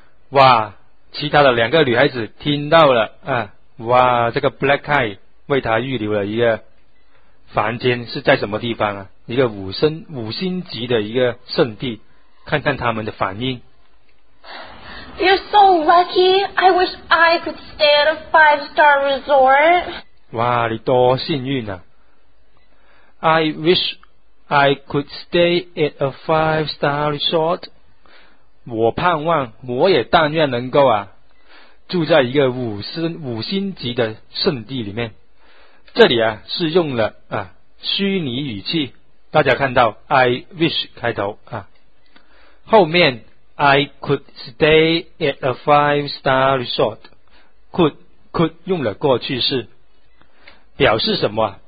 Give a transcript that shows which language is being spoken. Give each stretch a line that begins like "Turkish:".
Chinese: 哇，其他的两个女孩子听到了啊，哇，这个 Black Eye 为他预留了一个房间，是在什么地方啊？一个五星级的一个圣地，看看他们的反应。
English: You're so lucky. I wish I could stay at a 5-star resort.
Chinese: 哇，你多幸运啊！
English: I wish I could stay at a 5-star resort.
Chinese: 我盼望，我也但愿能够啊住在一个五星级的圣地里面。这里啊是用了啊虚拟语气，大家看到
English: I wish
Chinese: 开头啊，后面
English: I could stay at a 5-star resort，
Chinese: could 用了过去式，表示什么？